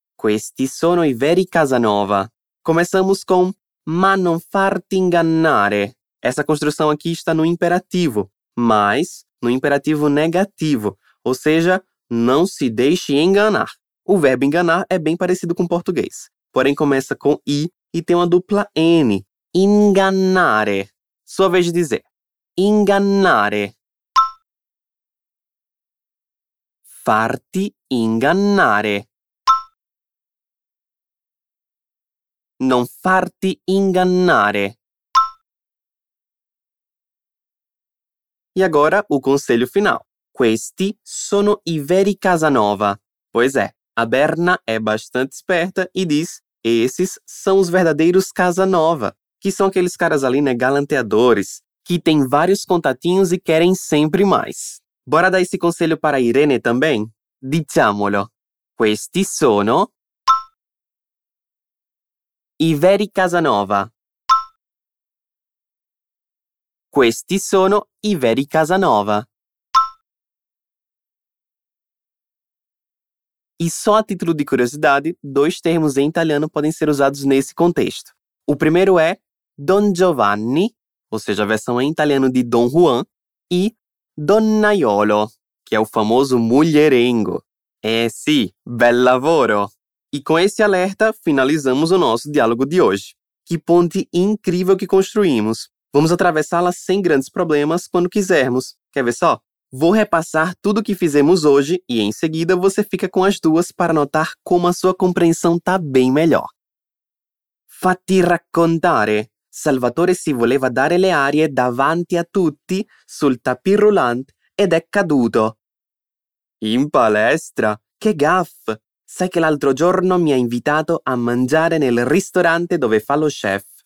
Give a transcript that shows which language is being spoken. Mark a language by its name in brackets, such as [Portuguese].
[Italian] Questi sono i veri Casanova. [Portuguese] Começamos com [Italian] ma non farti ingannare. [Portuguese] Essa construção aqui está no imperativo, mas no imperativo negativo, ou seja, não se deixe enganar. O verbo enganar é bem parecido com português. Porém, começa com I e tem uma dupla N. Ingannare. Sua vez de dizer. Ingannare. [Italian] Farti ingannare. Non farti ingannare. [Portuguese] E agora, o conselho final. [Italian] Questi sono i veri Casanova. [Portuguese] Pois é, a Berna é bastante esperta e diz esses são os verdadeiros Casanova, que são aqueles caras ali, né, galanteadores, que têm vários contatinhos e querem sempre mais. Bora dar esse conselho para a Irene também? [Italian] Diciamolo. Questi sono i veri Casanova. Questi sono i veri Casanova. [Portuguese] E só a título de curiosidade, dois termos em italiano podem ser usados nesse contexto. O primeiro é Don Giovanni, ou seja, a versão em italiano de Don Juan, e Donnaiolo, que é o famoso mulherengo. [Italian] Sì, bel lavoro! [Portuguese] E com esse alerta, finalizamos o nosso diálogo de hoje. Que ponte incrível que construímos! Vamos atravessá-la sem grandes problemas quando quisermos. Quer ver só? Vou repassar tudo o que fizemos hoje e, em seguida, você fica com as duas para notar como a sua compreensão está bem melhor. [Italian] Fatti raccontare. Salvatore si voleva dare le arie davanti a tutti sul tapis roulant ed è caduto. In palestra? Che gaffe! Sai che l'altro giorno mi ha invitato a mangiare nel ristorante dove fa lo chef.